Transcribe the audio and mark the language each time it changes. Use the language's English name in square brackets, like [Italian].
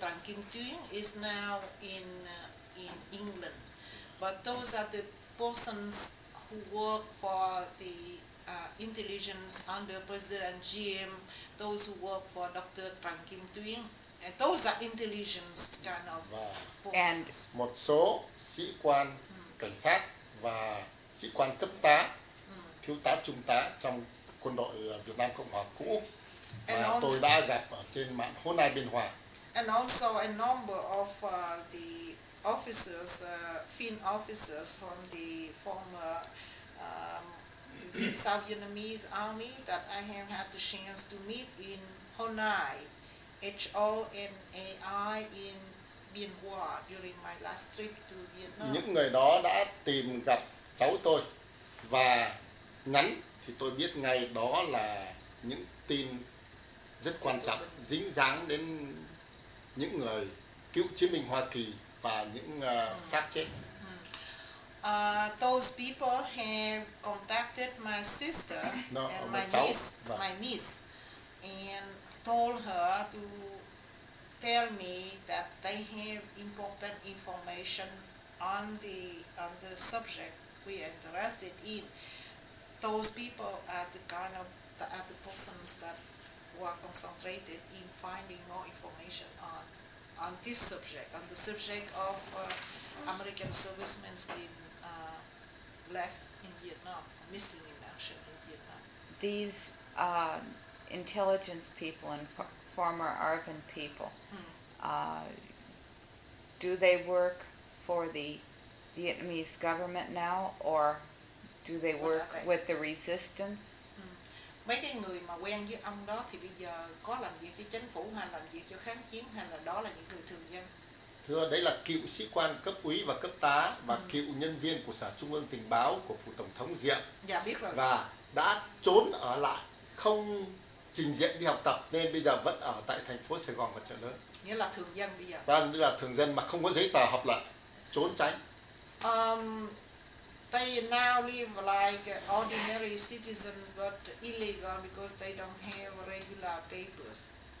[English] Trần Kim Tuyến is now in England, but those are the persons who work for the intelligence under President Diem, those who work for Dr. Trần Kim Tuyến, and those are intelligence kind of persons. And [Vietnamese] một số sĩ quan cảnh sát và sĩ quan cấp tá, thiếu tá, trung tá trong quân đội Việt Nam Cộng hòa cũ mà tôi đã gặp ở trên mạng Hồ Nai Biên Hòa. [English] And also a number of the officers, Finn officers from the former South Vietnamese Army that I have had the chance to meet in Honai, H-O-N-A-I in Biên Hòa during my last trip to Vietnam. [Vietnamese] Những người đó đã tìm gặp cháu tôi và nhắn thì tôi biết ngay đó là những tin rất quan trọng dính dáng đến những người cựu chiến binh Hoa Kỳ và những xác chết. [English] Those people have contacted my sister and my [Vietnamese] cháu. [English] Niece, vâng. My niece, and told her to tell me that they have important information on the subject we are interested in. Those people are the kind of are the persons that were concentrated in finding more information on this subject, on the subject of American servicemen in left in Vietnam, missing in action in Vietnam. These intelligence people and former Arvin people, do they work for the Vietnamese government now, or do they work with the resistance? [Vietnamese] Mấy cái người mà quen với ông đó thì bây giờ có làm việc cho chính phủ hay làm việc cho kháng chiến hay là đó là những người thường dân? Thưa, đấy là cựu sĩ quan cấp úy và cấp tá và cựu nhân viên của Sở Trung ương Tình báo của Phủ Tổng thống Diệm. Dạ, biết rồi. Và đã trốn ở lại, không trình diện đi học tập nên bây giờ vẫn ở tại thành phố Sài Gòn và Chợ Lớn. Nghĩa là thường dân bây giờ? Vâng, nghĩa là thường dân mà không có giấy tờ học lại, trốn tránh. [English] They now live like ordinary citizens, but illegal because they don't have regular papers.